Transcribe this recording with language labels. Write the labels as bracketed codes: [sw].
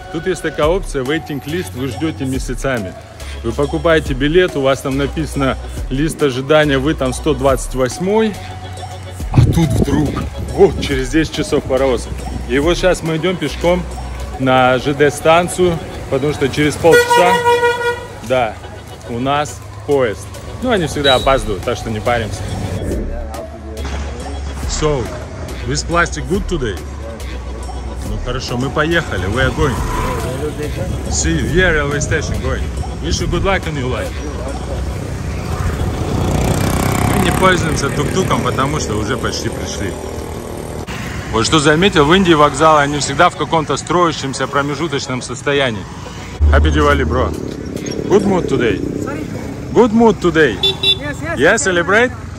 [ru] Тут есть такая опция, waiting list, вы ждете месяцами. Вы покупаете билет, у вас там написано лист ожидания, вы там 128-й. А тут вдруг, вот через 10 часов паровоз. И вот сейчас мы идем пешком на ЖД-станцию, потому что через полчаса, да, у нас поезд. Ну, они всегда опаздывают, так что не паримся. [en] So, this plastic good today? [ru] Ну хорошо, мы поехали, [en] we are going. See, yeah, railway station, great. Wish you good luck in your life. [ru] Мы не пользуемся тук-туком, потому что уже почти пришли. Вот что заметил, в Индии вокзалы, они всегда в каком-то строящемся промежуточном состоянии. [en] Happy Diwali, bro. Good mood today. Good mood today. Yes, celebrate.